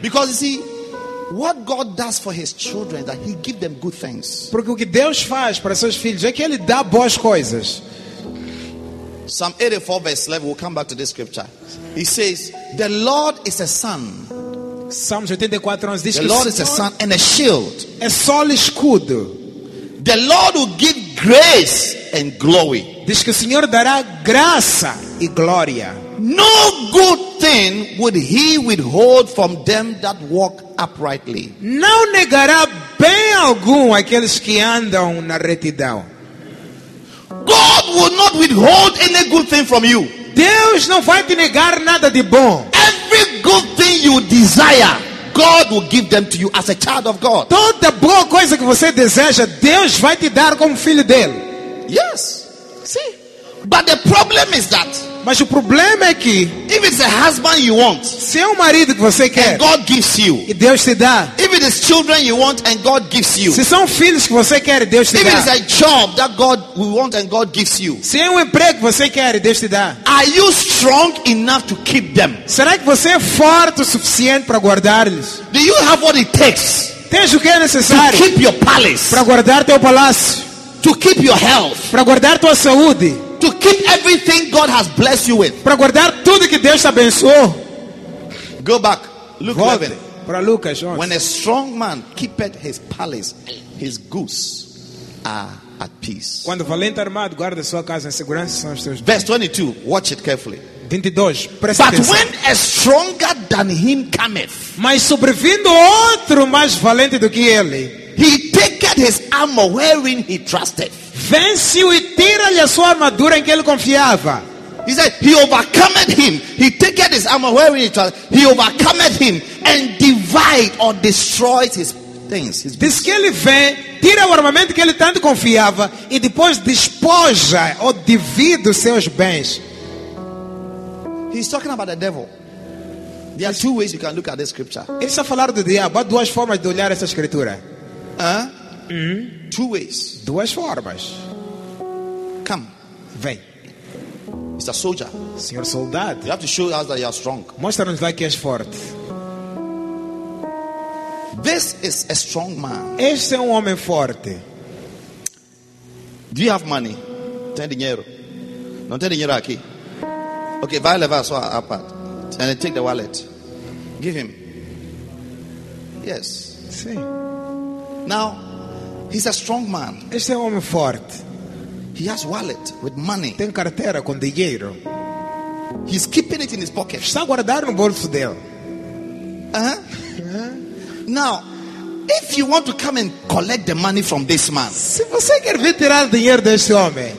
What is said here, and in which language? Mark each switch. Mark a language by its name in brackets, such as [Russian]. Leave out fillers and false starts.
[English] Because you see, what God does for his children is that he gives them good things. [Portuguese] Porque o que Deus faz para seus filhos é que ele dá boas coisas. [English] Psalm 84 verse 11. We'll come back to this scripture. He says, the Lord is a sun. [Portuguese] Psalms 84 11 diz que o [English] Lord is a sun and a shield. [Portuguese] É sol e escudo. [English] The Lord will give grace and glory. [Portuguese] Diz que o Senhor dará graça e glória. [English] No good thing would he withhold from them that walk uprightly. [Portuguese] Não negará bem algum aqueles que andam na retidão. [English] God will not withhold any good thing from you. [Portuguese] Deus não vai te negar nada de bom. [English] Every good thing you desire, God will give them to you as a child of God. [Portuguese] Toda boa coisa que você deseja, Deus vai te dar como filho dele. [English] Yes. See? But the problem is that, [Portuguese] mas o problema é que, [English] if it's a husband you want, [Portuguese] se é um marido que você quer, [English] and God gives you, [Portuguese] e Deus te dá, [English] if it is children you want and God gives you, [Portuguese] se são filhos que você quer, Deus te [English] if [Portuguese] dá, [English] if it is a job that God we want and God gives you, [Portuguese] se é um emprego que você quer, Deus te dá, [English] are you strong enough to keep them? [Portuguese] Será que você é forte o suficiente para guardá-los? [English] Do you have what it takes? [Portuguese] Tens o que é necessário [English] to keep your palace, [Portuguese] para guardar teu palácio, [English] to keep your health, [Portuguese] para guardar tua saúde, [English] to keep everything God has blessed you with. [Portuguese] Para guardar tudo que Deus te abençoou. [English] Go back. Luke 11. [Portuguese] Para Lucas 11. [English] When a strong man keepeth his palace, his goods are at peace. [Portuguese] Quando valente armado guarda sua casa em segurança, são os teus. [English] Verse 22. Watch it carefully. [Portuguese] 22. Presta atenção. [English] But when a stronger than him cometh, [Portuguese] mas sobrevindo outro mais valente do que ele, [English] he taketh his armor wherein he trusted. [Portuguese] Vence-o e tira-lhe a sua armadura em que ele confiava. [English] He said, he overcometh him. He taketh his armor wherein he trusted. He overcometh him and divide or destroys his things. [Portuguese] Diz que ele vem, tira o armamento que ele tanto confiava e depois despoja ou divide os seus bens. [English] He's talking about the devil. There are two ways you can look at this scripture. [Portuguese] Ele está falando do diabo. Há duas formas de olhar essa escritura. [English] Two ways. [Portuguese] Duas formas. [English] Come. [Portuguese] Vem. [English] Mr. Soldier. [Portuguese] Senhor soldado. [English] You have to show us that you are strong. [Portuguese] Mostra-nos lá que és forte. [English] This is a strong man. [Portuguese] Este é homem forte. [English] Do you have money? [Portuguese] Tem dinheiro? Não tem dinheiro aqui? [English] Okay, [Portuguese] vai levar a sua parte. [English] And take the wallet. Give him. Yes. [Portuguese] Sim. [English] Now, he's a strong man. [Portuguese] Este é homem forte. [English] He has wallet with money. [Portuguese] Tem carteira com dinheiro. [English] He's keeping it in his pocket. [Portuguese] Está guardado no bolso dele. [English] Now, if you want to come and collect the money from this man, [Portuguese] se você quer vir tirar dinheiro deste homem,